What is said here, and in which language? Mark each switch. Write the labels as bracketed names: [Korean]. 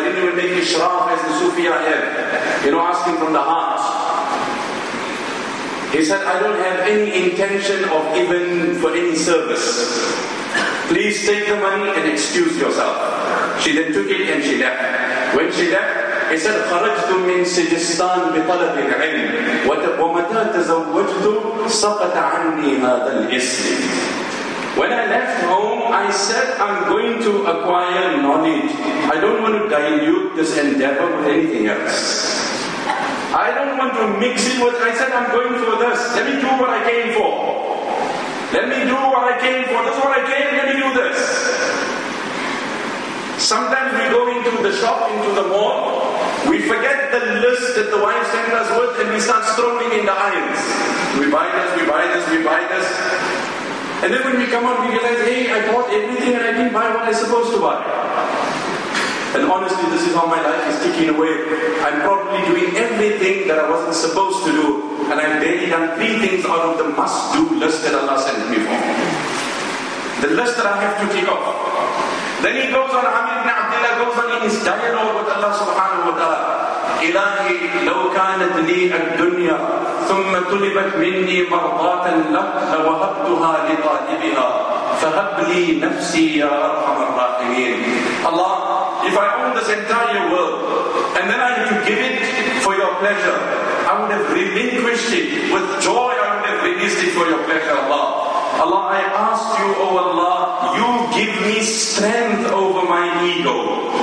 [English] I didn't even make ishraf as the Sufiya have. You know, asking from the heart. He said, I don't have any intention of even for any service. Please take the money and excuse yourself. She then took it and she left. When she left, he said, [Arabic] خَرَجْتُ مِنْ سِجِسْتَانْ بِطَلَبِ الْعِلْمِ وَمَتَى تَزَوَّجْتُ سَقَطَ عَنِّي هَذَا الْإِسْمِ. [English] When I left home, I said, I'm going to acquire knowledge. I don't want to dilute this endeavor with anything else. I don't want to mix it with, I said, I'm going for this. Let me do what I came for. Let me do what I came for. This is what I came, let me do this. Sometimes we go into the shop, into the mall, we forget the list that the wife sent us with and we start strolling in the aisles. We buy this. And then when we come out, we realize, hey, I bought everything and I didn't buy what I was supposed to buy. And honestly, this is how my life is ticking away. I'm probably doing everything that I wasn't supposed to do. And I've barely done 3 things out of the must-do list that Allah sent me for. The list that I have to tick off. Then he goes on, Amir ibn Abdillah goes on in his dialogue with Allah subhanahu wa ta'ala. [Arabic] إلهي لو كانت لي الدنيا ثم طلبت مني مرضاة لك لوهبتها لطالبها فهب لي نفسي يا أرحم الراحمين. [English] Allah, if I own this entire world and then I have to give it for your pleasure, I would have relinquished it with joy. I would have released it for your pleasure, Allah. Allah, I ask you, O Allah, you give me strength over my ego.